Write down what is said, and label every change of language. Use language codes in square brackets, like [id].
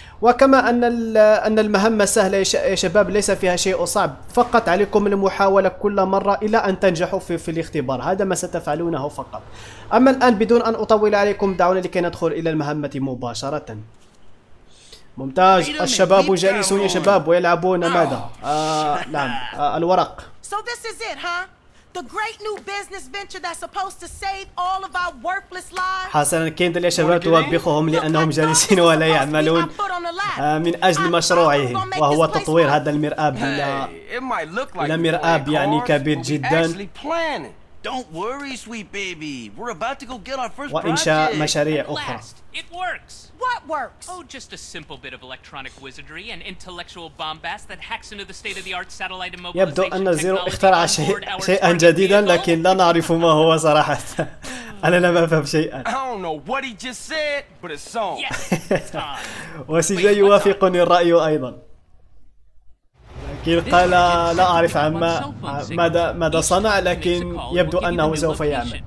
[ar] وكما أن المهمة سهلة يا شباب، ليس فيها شيء صعب، فقط عليكم المحاولة كل مرة إلى أن تنجحوا في الاختبار، هذا ما ستفعلونه فقط. أما الآن بدون أن أطول عليكم، دعونا لكي ندخل إلى المهمة مباشرة. ممتاز، الشباب جالسون يا شباب ويلعبون. ماذا؟ نعم، الورق. [en] So this is it, huh? The great new business venture that's supposed to save all of our worthless lives. [ar] حسنا كيندل يا شباب، توبخهم لأنهم جالسين ولا يعملون من أجل مشروعه، وهو تطوير هذا المرآب إلى مرآب يعني كبير جدا. [en] Don't worry, sweet baby. We're about to go get our first [ar] وإنشاء مشاريع أخرى. [en] It works. What works? Oh, just a simple bit of electronic wizardry and intellectual bombast that hacks into the state-of-the-art satellite and mobile. [ar] يبدو أن زيرو اخترع شيئا جديدا، لكن لا نعرف ما هو صراحة. أنا لم أفهم شيئا. [en] I don't know what he just said, but it's on. [ar] وسيجي يوافقني الرأي أيضا. قال لا أعرف ماذا صنع، لكن يبدو أنه سوف يعمل.